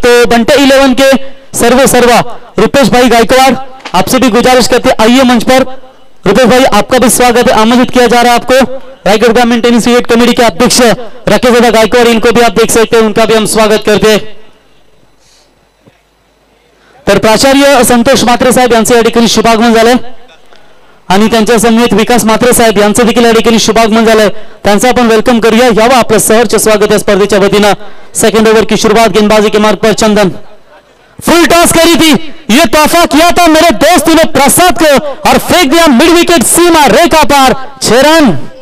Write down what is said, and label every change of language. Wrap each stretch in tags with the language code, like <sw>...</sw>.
<hi>तो बंटे इलेवन के सर्वे सर्वा रुपेश भाई गायकवाड़ आपसे भी गुजारिश करते आइए मंच पर। रुपेश भाई आपका भी स्वागत है, आमंत्रित किया जा रहा है आपको, रायगढ़ ग्रामीण टेनिस यूनियन कमेटी के अध्यक्ष राकेश दादा गायकवाड़ इनको भी आप देख सकते हैं, उनका भी हम स्वागत करते हैं।</hi> <mr>प्राचार्य संतोष मात्रे साहब यांचे या ठिकाणी शुभागमन झाले आणि त्यांच्या समवेत विकास मात्रे साहब यांचे देखील या ठिकाणी शुभागमन झाले, त्यांचा आपण वेलकम करूया। यावा आपलं सहर्ष स्वागत या स्पर्धेच्या वतीनं।</mr> <hi>सेकंड ओवर की शुरुआत, गेंदबाजी के मार्ग पर चंदन फुल टॉस करी थी, ये तोहफा किया था मेरे दोस्त ने प्रसाद को और फेंक दिया मिड विकेट सीमा रेखा पार 6 रन।</hi>